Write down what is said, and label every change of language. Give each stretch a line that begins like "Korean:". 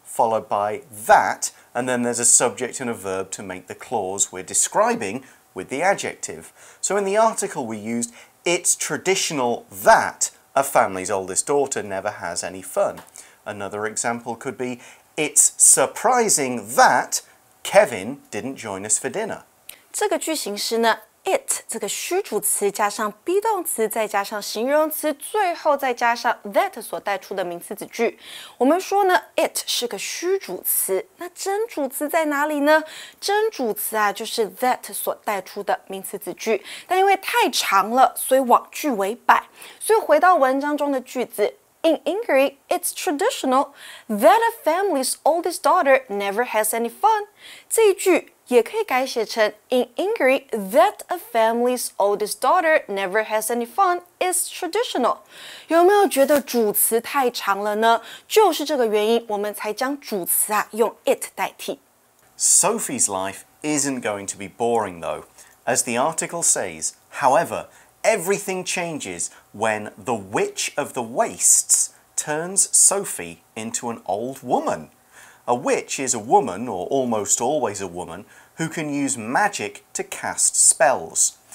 English: Followed by that, and then there's a subject and a verb to make the clause we're describing with the adjective. So in the article we used, it's traditional that a family's oldest daughter never has any fun. Another example could be, it's surprising that Kevin didn't join us for dinner.
Chinese: 这个句型是呢It 这个虚主词加上 be 动词再加上形容词最后再加上 that 所带出的名词子句。我们说呢 ,it 是个虚主词。那真主词在哪里呢真主词啊就是 that 所带出的名词子句。但因为太长了所以往句尾摆。所以回到文章中的句子。
English: In Hungary, it's traditional that a family's oldest daughter never has any fun.
Chinese: 这一句也可以改写成
English: In Hungary, that a family's oldest daughter never has any fun is traditional.
Chinese: 有没有觉得主词太长了呢？就是这个原因，我们才将主词啊用 it 代替。
English: Sophie's life isn't going to be boring, though. As the article says, however,Everything changes when the Witch of the Wastes turns Sophie into an old woman. A witch is a woman, or almost always a woman, who can use magic to cast spells.